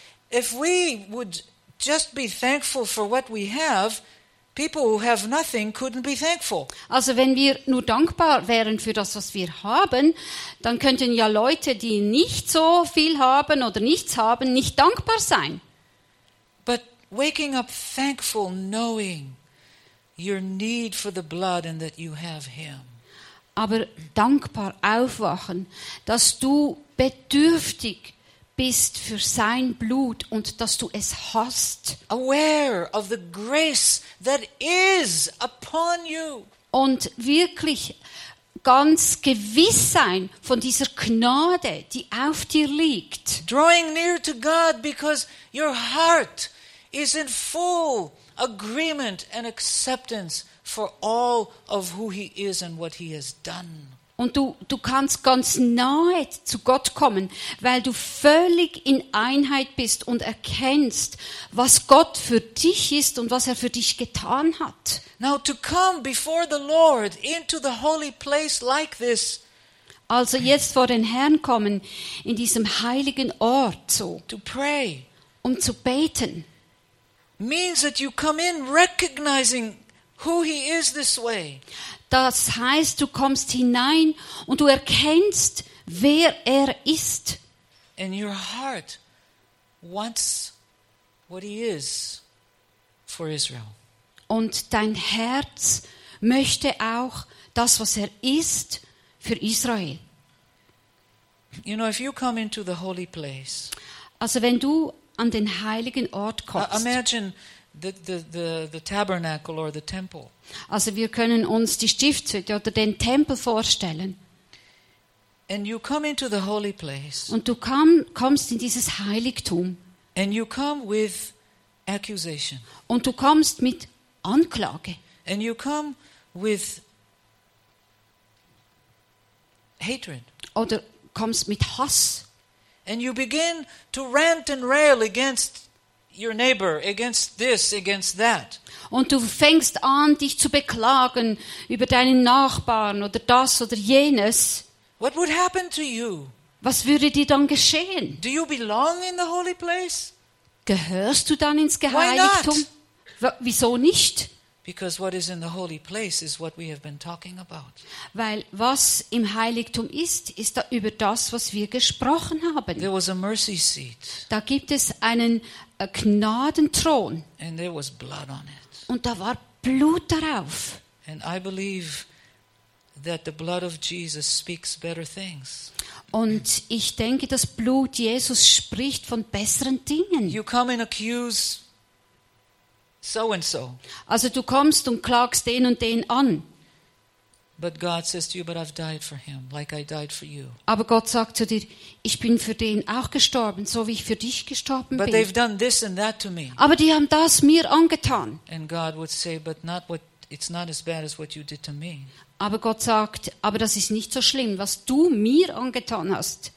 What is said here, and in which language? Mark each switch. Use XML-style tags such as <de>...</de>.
<en>If we would just be thankful for what we have, people who have nothing couldn't be thankful.</en> <de>Also wenn wir nur dankbar wären für das, was wir haben, dann könnten ja Leute, die nicht so viel haben oder nichts haben, nicht dankbar sein.</de> <en>But waking up thankful, knowing your need for the blood and that you have him.</en> <de>Aber dankbar aufwachen, dass du bedürftig bist für sein Blut und dass du es hast.</de> <en>Aware of the grace that is upon you.</en> <de>Und wirklich ganz gewiss sein von dieser Gnade, die auf dir liegt.</de> <en>Drawing near to God because your heart is in full agreement and acceptance for all of who he is and what he has done.</en> <de>Und du kannst ganz nahe zu Gott kommen, weil du völlig in Einheit bist und erkennst, was Gott für dich ist und was er für dich getan hat.</de> <en>Now to come before the Lord into the holy place like this.</en> <de>Also jetzt vor den Herrn kommen in diesem heiligen Ort so.</de> <en>To pray.</en> <de>Um zu beten.</de> <en>Means that you come in recognizing who he is this way.</en> <de>Das heißt, du kommst hinein und du erkennst, wer er ist.</de> <en>And your heart wants what he is for Israel.</en> <de>Und dein Herz möchte auch das, was er ist, für Israel.</de> <en>You know, if you come into the holy place,</en> <de>also wenn du an den heiligen Ort kommst.</de> <en>Imagine the tabernacle or the temple.</en> <de>Also wir können uns die Stiftshütte oder den Tempel vorstellen.</de> <en>And you come into the holy place.</en> <de>Und du kommst in dieses Heiligtum.</de> <en>And you come with accusation.</en> <de>Und du kommst mit Anklage.</de> <en>And you come with hatred.</en> <de>Oder kommst mit Hass.</de> <en>And you begin to rant and rail against your neighbor, against this, against that.</en> <de>Und du fängst an, dich zu beklagen über deinen Nachbarn oder das oder jenes.</de> <en>What would happen to you?</en> <de>Was würde dir dann geschehen?</de> <en>Do you belong in the holy place?</en> <de>Gehörst du dann ins Geheiligtum? Wieso nicht?</de> <en>Because what is in the holy place is what we have been talking about.</en> <de>Weil was im Heiligtum ist, ist da über das, was wir gesprochen haben.</de> <en>There was a mercy seat.</en> <de>Da gibt es einen Gnadenthron.</de> <en>And there was blood on it.</en> <de>Und da war Blut darauf.</de> <en>And I believe that the blood of Jesus speaks better things.</en> <de>Und ich denke, das Blut Jesus spricht von besseren Dingen.</de> <en>You come and accuse so and so.</en> <de>Also du kommst und klagst den und den an.</de> <en>But God says to you, but I've died for him, like I died for you.</en> <de>Aber Gott sagt zu dir, ich bin für den auch gestorben, so wie ich für dich gestorben</de> <en>but</en> <de>bin.</de> <en>They've done this and that to me.</en> <de>Aber die haben das mir angetan.</de> <en>And God would say, but not what it's not as bad as what you did to me.</en> <de>Aber Gott sagt, aber das ist nicht so schlimm, was du mir angetan hast.</de>